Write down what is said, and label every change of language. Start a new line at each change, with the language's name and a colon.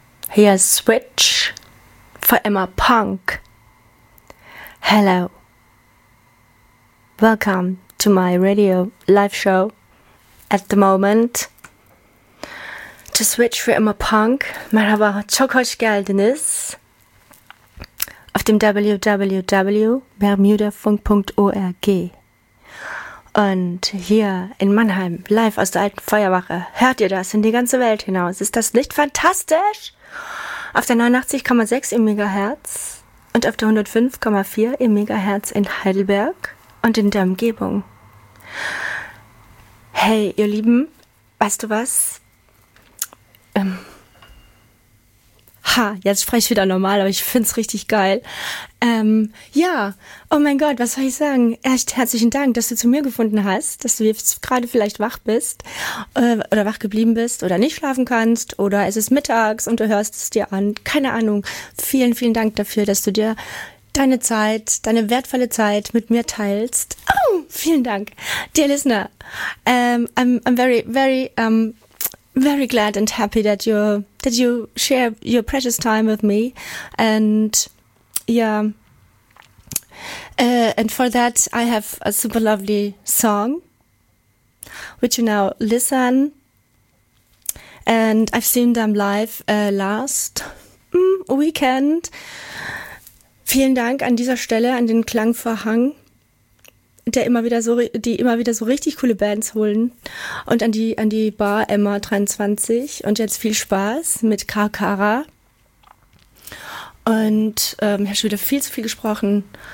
German: Hier ist Switch for Emma Punk.
English: Hello. Welcome to my radio live show at the moment. To Switch for Emma Punk.
Turkish: Merhaba, çok hoş geldiniz.
German: Auf dem www.bermudafunk.org. Und hier in Mannheim, live aus der alten Feuerwache, hört ihr das in die ganze Welt hinaus. Ist das nicht fantastisch? Auf der 89,6 im Megahertz und auf der 105,4 im Megahertz in Heidelberg und in der Umgebung. Hey, ihr Lieben, weißt du was? Jetzt spreche ich wieder normal, aber ich finde es richtig geil. Oh mein Gott, was soll ich sagen? Echt herzlichen Dank, dass du zu mir gefunden hast, dass du jetzt gerade vielleicht wach bist oder wach geblieben bist oder nicht schlafen kannst oder es ist mittags und du hörst es dir an. Keine Ahnung. Vielen, vielen Dank dafür, dass du dir deine Zeit, deine wertvolle Zeit mit mir teilst. Oh, vielen Dank,
English: dear listener. I'm very, very, very glad and happy that you share your precious time with me. And yeah, and for that I have a super lovely song which you now listen. And I've seen them live last weekend.
German: Vielen Dank an dieser Stelle an den Klangvorhang, die immer wieder so richtig coole Bands holen, und an die Bar Emma 23. Und jetzt viel Spaß mit Karkara. Und ich habe schon wieder viel zu viel gesprochen.